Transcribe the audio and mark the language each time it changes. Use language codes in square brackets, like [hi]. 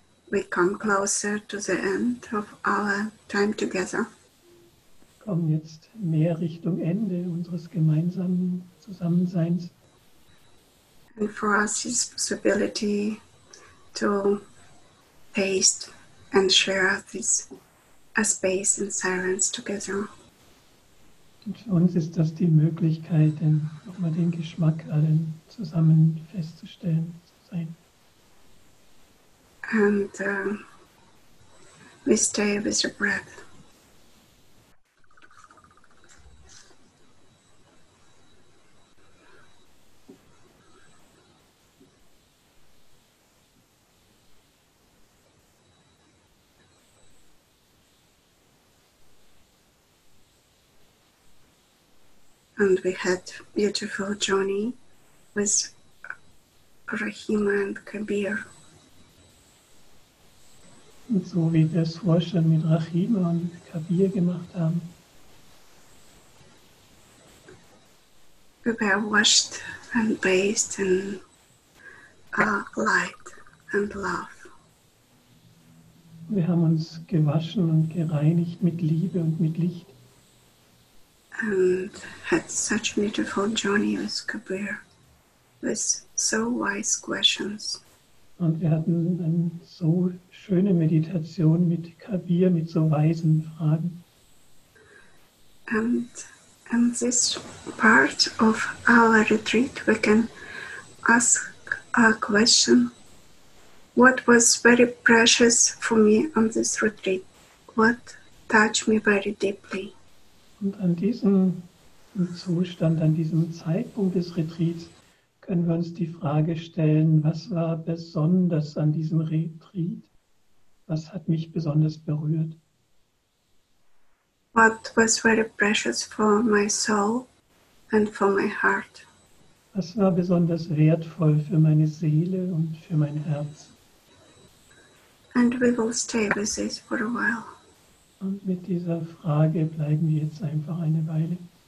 [en] We come closer to the end of our time together. [de] Wir kommen jetzt mehr Richtung Ende unseres gemeinsamen Zusammenseins. [en] And for us is possibility to taste and share this a space in silence together. [de] Und für uns ist das die Möglichkeit, denn nochmal den Geschmack allen zusammen festzustellen, zu sein. [en] And we stay with your breath. And we had a beautiful journey with Rahima and Kabir. [de] Und so wie wir es vorher schon mit Rahima und Kabir gemacht haben. [en] We were washed and bathed in light and love. [de] Wir haben uns gewaschen und gereinigt mit Liebe und mit Licht. [en] And had such a beautiful journey with Kabir, with so wise questions. [de] Und wir hatten eine so schöne Meditation mit Kabir, mit so weisen Fragen. [en] And this part of our retreat, we can ask a question. What was very precious for me on this retreat? What touched me very deeply? [de] Und an diesem Zustand, an diesem Zeitpunkt des Retreats, können wir uns die Frage stellen, was war besonders an diesem Retreat? Was hat mich besonders berührt? [en] What was very precious for my soul and for my heart? [de] Was war besonders wertvoll für meine Seele und für mein Herz? [en] And we will stay with this for a while. [de] Und mit dieser Frage bleiben wir jetzt einfach eine Weile.